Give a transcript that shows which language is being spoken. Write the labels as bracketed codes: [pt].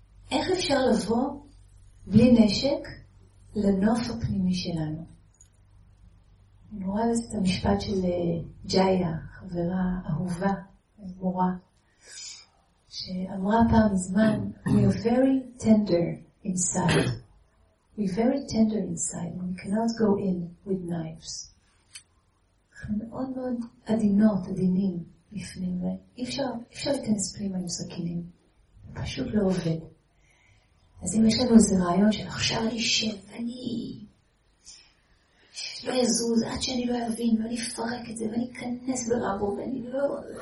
[he] איך אפשר לבוא בלי נשק לנוף הפנימי שלנו? אני רואה לזה את המשפט של ג'איה, חברה אהובה, מורה, שאמרה פעם מזמן, [en] We are very tender inside. We are very tender inside. We cannot go in with knives. [he] אנחנו מאוד מאוד עדינות, עדינים בפנים, ואי אפשר להיכנס פנימה עם סכינים. זה פשוט לא עובד. אז אם יש לנו איזה רעיון של עכשיו אני שם, אני... לא יזוז, עד שאני לא אבין, ואני אפרק את זה, ואני אכנס ברבו, ואני לא...